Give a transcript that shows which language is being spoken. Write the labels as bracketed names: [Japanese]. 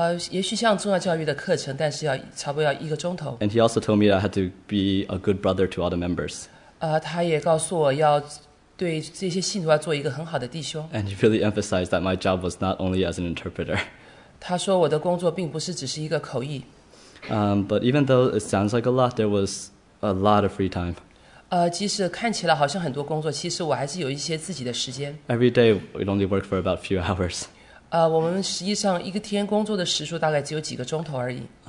[Chinese] 也许像宗教教育的课程，但是要差不多要一个钟头。 [English] And he also told me I had to be a good brother to all the members. [Chinese] 他也告诉我要对这些信徒要做一个很好的弟兄。 [English] And he really emphasized that my job was not only as an interpreter. [Chinese] 他说我的工作并不是只是一个口译。 [English] But even though it sounds like a lot, there was a lot of free time. [Chinese] 即使看起来好像很多工作，其实我还是有一些自己的时间。 [English] Every day, we only work for about a few hours. [Chinese] 我们实际上一个天工作的时数大概只有几个钟头而已。